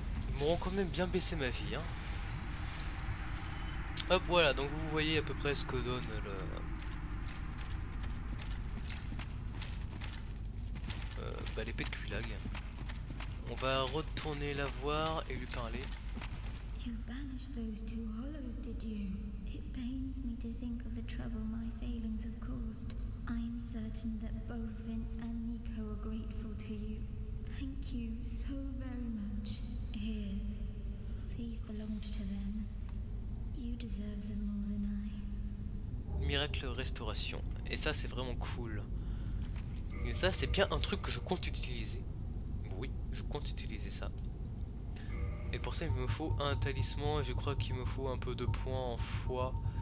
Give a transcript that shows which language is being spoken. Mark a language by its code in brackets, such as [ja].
[fr] Ils m'auront quand même bien baissé ma vie, hein. Hop, voilà, donc vous voyez à peu près ce que donne le... Bah, l'épée de Kulag. On va retourner la voir et lui parler. [en] You banished those two hollows, did you? It pains me to think of the trouble my failings have caused. I am certain that both Vince and Nico are grateful to you. Thank you so very much. Here, these belonged to them. You deserve them more than I. [fr] Miracle restauration. Et ça, c'est vraiment cool. Et ça, c'est bien un truc que je compte utiliser. Oui, je compte utiliser ça. Et pour ça, il me faut un talisman. Et je crois qu'il me faut un peu de points en foi.